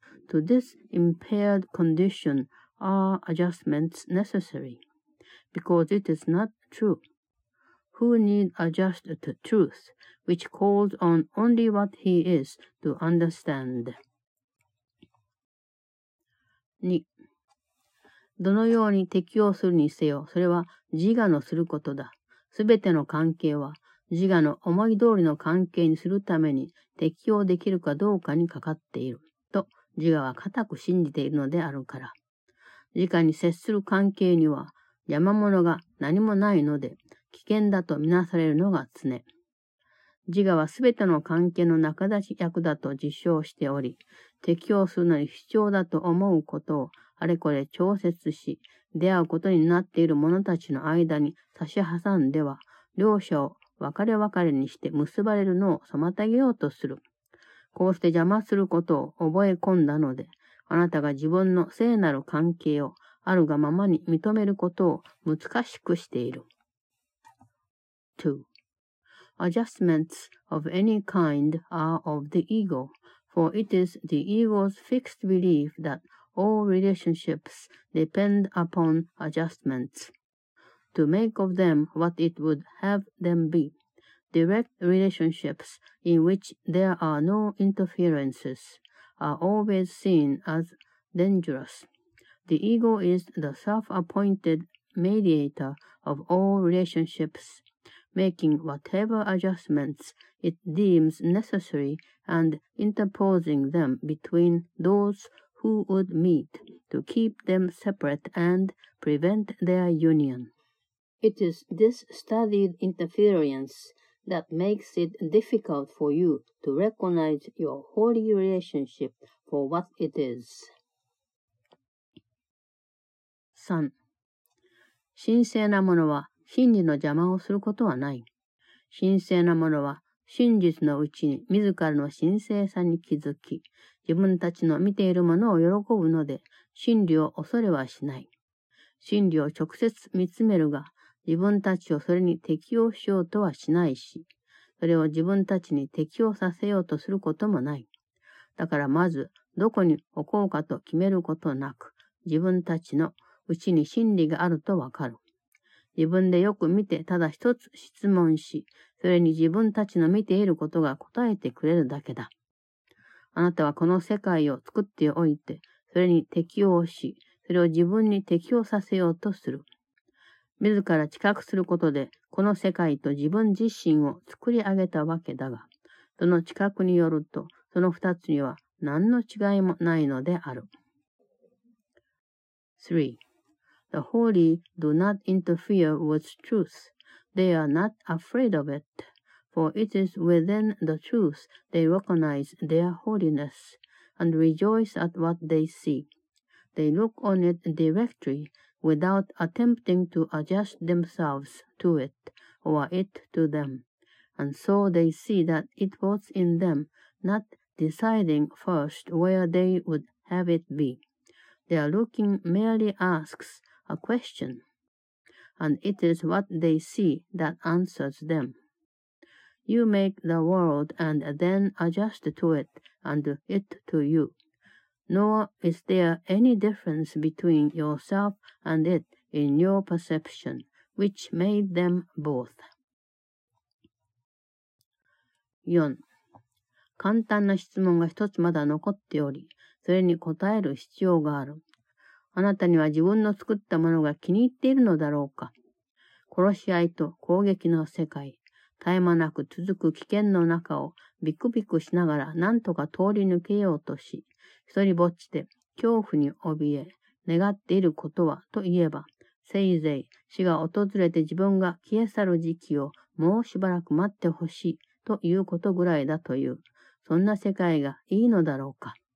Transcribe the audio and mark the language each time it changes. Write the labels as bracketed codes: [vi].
[en] To this impaired condition are adjustments necessary, because it is not true. Who need adjust to truth, which calls on only what he is to understand? 2. [ja] どのように適応するにせよ、それは自我のすることだ。すべての関係は自我の思い通りの関係にするために適応できるかどうかにかかっていると自我は固く信じているのであるから。自我に接する関係には山物が何もないので危険だとみなされるのが常。自我はすべての関係の仲立ち役だと自称しており、適応するのに必要だと思うことをあれこれ調節し、出会うことになっている者たちの間に差し挟んでは、両者を別れ別れにして結ばれるのを妨げようとする。こうして邪魔することを覚え込んだので、あなたが自分の聖なる関係をあるがままに認めることを難しくしている。 2. [en] Adjustments of any kind are of the ego, for it is the ego's fixed belief that all relationships depend upon adjustments. To make of them what it would have them be, direct relationships in which there are no interferences are always seen as dangerous. The ego is the self-appointed mediator of all relationships, making whatever adjustments it deems necessary and interposing them between those who would meet to keep them separate and prevent their union. It is this studied interference that makes it difficult for you to recognize your holy relationship for what it is. 3. [ja] 神聖なものは真理の邪魔をすることはない。神聖なものは真実のうちに自らの神聖さに気づき、自分たちの見ているものを喜ぶので、真理を恐れはしない。真理を直接見つめるが、自分たちをそれに適応しようとはしないし、それを自分たちに適応させようとすることもない。だからまず、どこに置こうかと決めることなく、自分たちのうちに真理があるとわかる。自分でよく見て、ただ一つ質問し、それに自分たちの見ていることが答えてくれるだけだ。あなたはこの世界を作っておいて、それに適応し、それを自分に適応させようとする。自ら知覚することで、この世界と自分自身を作り上げたわけだが、その知覚によると、その二つには何の違いもないのである。 3. [en] The holy do not interfere with truth. They are not afraid of it, for it is within the truth they recognize their holiness and rejoice at what they see. They look on it directly without attempting to adjust themselves to it or it to them. And so they see that it was in them, not deciding first where they would have it be. Their looking merely asks a question, and it is what they see that answers them. You make the world and then adjust to it and it to you. Nor is there any difference between yourself and it in your perception, which made them both. 4. [ja] 簡単な質問が一つまだ残っており、それに答える必要がある。あなたには自分の作ったものが気に入っているのだろうか。殺し合いと攻撃の世界、絶え間なく続く危険の中をビクビクしながら何とか通り抜けようとし、一人ぼっちで恐怖に怯え、願っていることはといえば、せいぜい死が訪れて自分が消え去る時期をもうしばらく待ってほしいということぐらいだという、そんな世界がいいのだろうか。